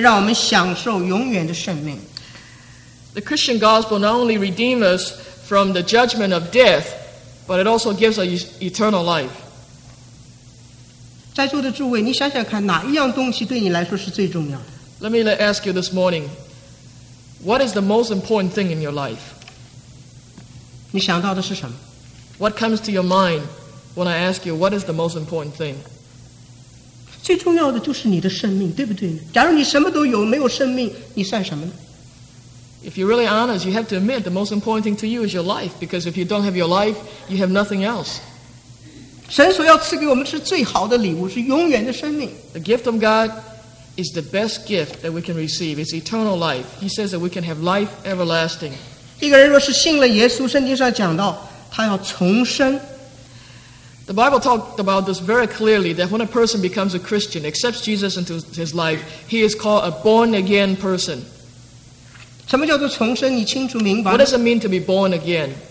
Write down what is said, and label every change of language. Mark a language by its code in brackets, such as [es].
[zh] 耶稣基督的福音不仅仅使人们失去对死亡的恐惧，而且可以让我们享受永远的生命。 [en] The Christian gospel not only redeems us from the judgment of death, but it also gives us eternal life. [zh] 在座的诸位，你想想看，哪一样东西对你来说是最重要的？ [en] Let me ask you this morning, what is the most important thing in your life? [zh] 你想到的是什么? [en] What comes to your mind when I ask you what is the most important thing? [zh] 最重要的就是你的生命，对不对？假如你什么都有，没有生命，你算什么呢？ [en] If you're really honest, you have to admit the most important thing to you is your life, because if you don't have your life, you have nothing else. [zh] 神所要赐给我们是最好的礼物，是永远的生命。 [en] The gift of God is the best gift that we can receive. It's eternal life. He says that we can have life everlasting. [zh] 一个人若是信了耶稣，圣经上讲到，他要重生。 [en] The Bible talked about this very clearly, that when a person becomes a Christian, accepts Jesus into his life, he is called a born-again person. [zh] 什么叫做重生?你清楚明白吗? [en] What does it mean to be born again?